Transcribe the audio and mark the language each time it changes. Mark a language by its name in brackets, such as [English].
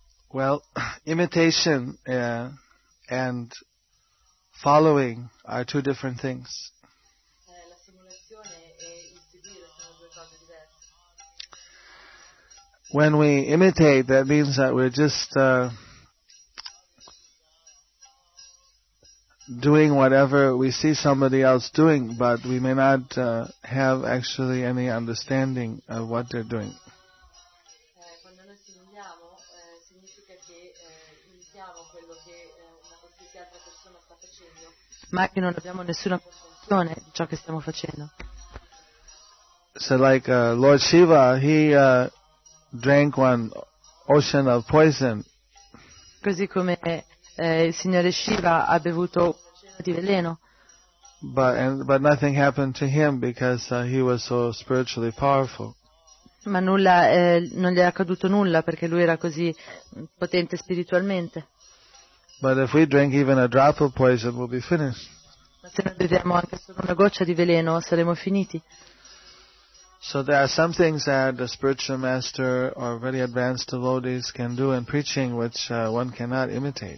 [English] Well, imitation and following are two different things. [Italian] La simulazione e il seguire sono due cose diverse. [English] When we imitate, that means that we're just doing whatever we see somebody else doing, but we may not have actually any understanding of what they're doing. [Italian] Quando noi simuliamo, significa che imitiamo quello che una qualsiasi altra persona sta facendo. Ma che non abbiamo nessuna comprensione di ciò che stiamo facendo. [English] So like Lord Shiva, he drank one ocean of poison. [Italian] Così come il signore Shiva ha bevuto cena di veleno. [English] But nothing happened to him because he was so spiritually powerful. [Italian] Ma nulla, non gli è accaduto nulla perché lui era così potente spiritualmente. [English] But if we drink even a drop of poison, we'll be finished. [Italian] Ma se noi beviamo anche solo una goccia di veleno, saremo finiti. [English] So there are some things that a spiritual master or very advanced devotees can do in preaching which one cannot imitate.